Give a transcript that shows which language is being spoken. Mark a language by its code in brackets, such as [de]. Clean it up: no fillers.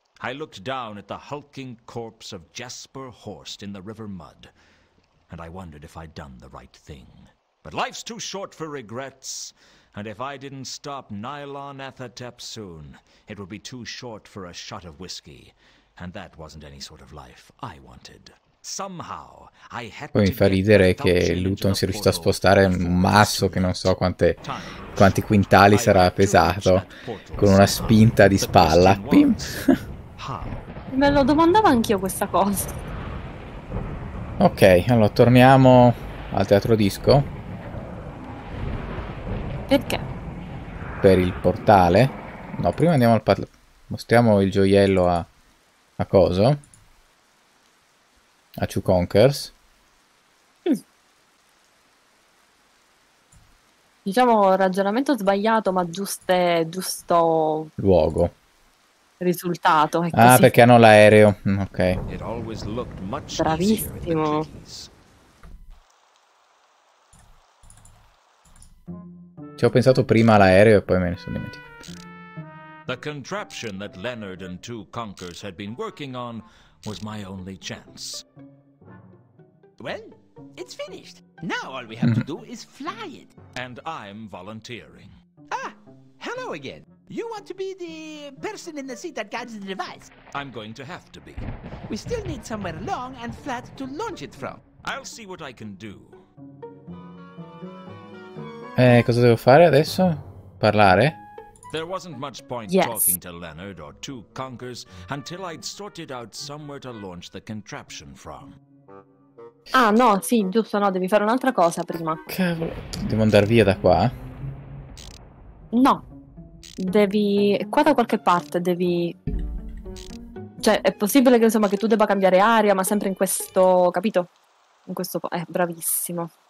[en] I looked down at the hulking corpse of Jasper Horst in the river mud, and I wondered if I'd done the right thing. But life's too short for regrets, and if I didn't stop Nylon Athetep soon, it would be too short for a shot of whiskey, and that wasn't any sort of life I wanted. Somehow, I had [it] poi mi fa ridere che Luton sia riuscito a spostare un mazzo che non so quanti quintali sarà pesato con una spinta di spalla. Pim. Me lo domandavo anch'io questa cosa. Ok, allora torniamo al teatro disco. Perché? Per il portale? No, prima andiamo al mostriamo il gioiello a coso. A Two Conquers. Diciamo ragionamento sbagliato, ma giusto luogo. Risultato. È ah, così. Perché hanno l'aereo. Ok. Bravissimo. Ci ho pensato prima all'aereo e poi me ne sono dimenticato. [en] The contraption that Leonard and Two Conquers had been working on was my only chance. Well, it's finished. Now all we have to do is fly it. And I'm volunteering. Ah, hello again. You want to be the person in the seat that guides the device? I'm going to have to be. We still need somewhere long and flat to launch it from. I'll see what I can do. [it] Cosa devo fare adesso? Parlare? [en] There wasn't much point talking to Leonard or Two Conquers until I'd sorted out somewhere to launch the contraption from. [it] Ah, no, sì, giusto, no, devi fare un'altra cosa prima. Cavolo, devo andare via da qua? No, devi... qua da qualche parte devi... Cioè, è possibile che, insomma, che tu debba cambiare aria, ma sempre in questo... capito? In questo... bravissimo.